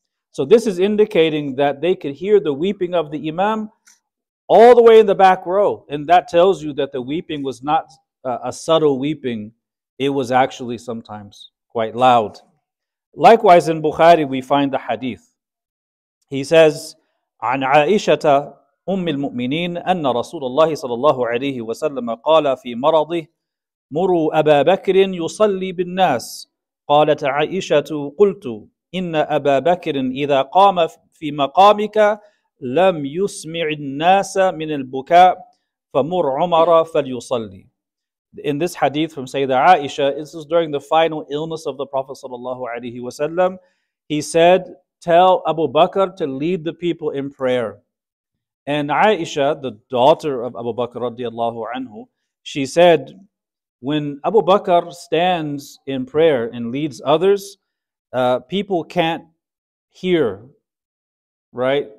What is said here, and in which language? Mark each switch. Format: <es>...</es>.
<en>So this is indicating that they could hear the weeping of the imam all the way in the back row. And that tells you that the weeping was not a subtle weeping. It was actually sometimes quite loud. Likewise in Bukhari we find the hadith. He says,</en> <ar>عَنْ عَائِشَةَ أُمِّ الْمُؤْمِنِينَ أَنَّ رَسُولَ اللَّهِ صَلَى اللَّهُ عَلَيْهِ وَسَلَّمَ قَالَ فِي مَرَضِهِ مروا أبا بكر يصلي بالناس قالت عائشة قلت إن أبا بكر إذا قام في مقامك لم يسمع الناس من البكاء فمر عمر فليصلي.</ar> <en>In this hadith from Sayyidah Aisha, this is during the final illness of the Prophet sallallahu alaihi wasallam. He said, "Tell Abu Bakr to lead the people in prayer." And Aisha, the daughter of Abu Bakr radiallahu anhu, she said, when Abu Bakr stands in prayer and leads others, people can't hear, right?</en>